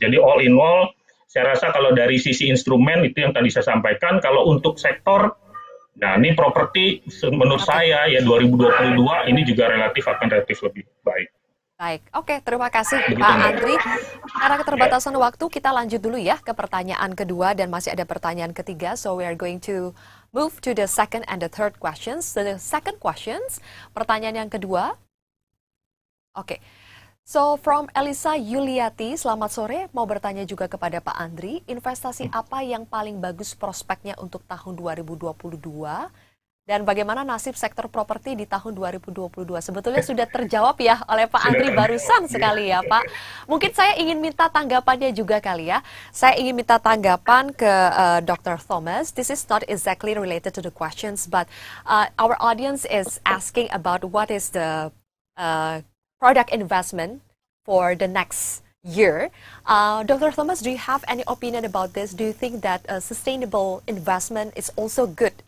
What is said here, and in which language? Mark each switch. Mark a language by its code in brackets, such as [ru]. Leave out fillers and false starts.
[id] Jadi [en] all in all, [id] saya rasa kalau dari sisi instrumen itu yang tadi saya sampaikan, kalau untuk sektor, nah ini properti menurut saya ya 2022 ini juga relatif lebih baik. Baik, oke, terima kasih Pak Andri. Karena keterbatasan waktu, kita lanjut dulu ya ke pertanyaan kedua dan masih ada pertanyaan ketiga. [en] So we are going to move to the second and the third questions. So the second questions, [id] pertanyaan yang kedua. [en] Oke, so from Elisa Yuliati, [id] selamat sore. Mau bertanya juga kepada Pak Andri, investasi apa yang paling bagus prospeknya untuk tahun 2022? Dan bagaimana nasib sektor properti di tahun 2022? Sebetulnya sudah terjawab ya oleh Pak Andri barusan sekali ya Pak. Mungkin saya ingin minta tanggapannya juga kali ya. Saya ingin minta tanggapan ke Dr. [en] Thomas. This is not exactly related to the questions, but our audience is asking about what is the product investment for the next year. Dr. Thomas, do you have any opinion about this? Do you think that a sustainable investment is also good?